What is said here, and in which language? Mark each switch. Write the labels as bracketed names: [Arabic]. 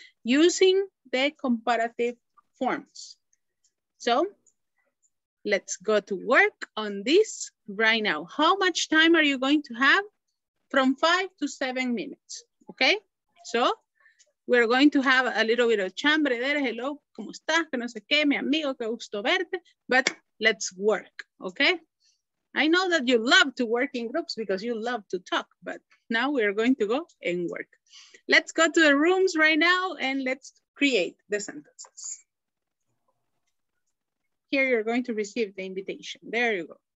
[English] Using the comparative forms. So let's go to work on this right now. How much time are you going to have? From 5 to 7 minutes, okay? So we're going to have a little bit of chambre there. [Spanish] Hello, ¿cómo estás? Que no sé qué, mi amigo, qué gusto verte. [English] But let's work, okay? I know that you love to work in groups because you love to talk, but now we're going to go and work. Let's go to the rooms right now and let's create the sentences. Here you're going to receive the invitation. There you go.